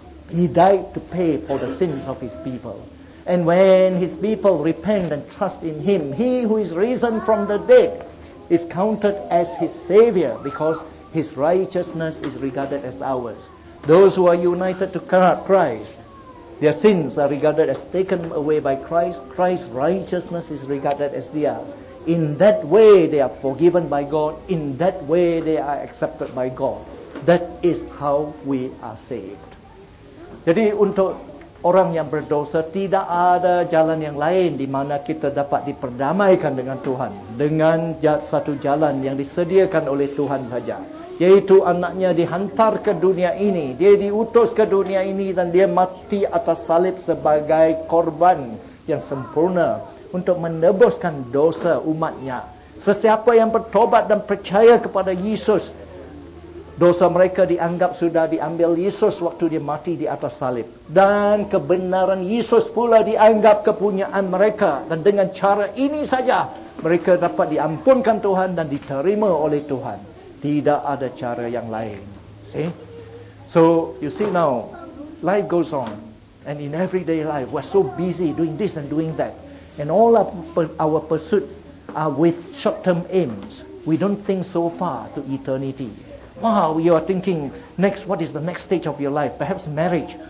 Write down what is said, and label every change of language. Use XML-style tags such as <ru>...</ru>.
<en>He died to pay for the sins of His people. And when His people repent and trust in Him, He who is risen from the dead is counted as His Savior because His righteousness is regarded as ours. Those who are united to Christ, their sins are regarded as taken away by Christ. Christ's righteousness is regarded as theirs. In that way, they are forgiven by God. In that way, they are accepted by God. That is how we are saved.</en> <ms>Jadi untuk orang yang berdosa, tidak ada jalan yang lain di mana kita dapat diperdamaikan dengan Tuhan. Dengan satu jalan yang disediakan oleh Tuhan saja. Yaitu anaknya dihantar ke dunia ini. Dia diutus ke dunia ini dan dia mati atas salib sebagai korban yang sempurna. Untuk menebuskan dosa umatnya. Sesiapa yang bertobat dan percaya kepada Yesus, dosa mereka dianggap sudah diambil Yesus waktu dia mati di atas salib. Dan kebenaran Yesus pula dianggap kepunyaan mereka. Dan dengan cara ini saja, mereka dapat diampunkan Tuhan dan diterima oleh Tuhan. Tidak ada cara yang lain.</ms> <en>See? So, you see now, life goes on. And in everyday life, we're so busy doing this and doing that. And all our pursuits are with short-term aims. We don't think so far to eternity. Wow, you are thinking, next, what is the next stage of your life? Perhaps marriage.</en>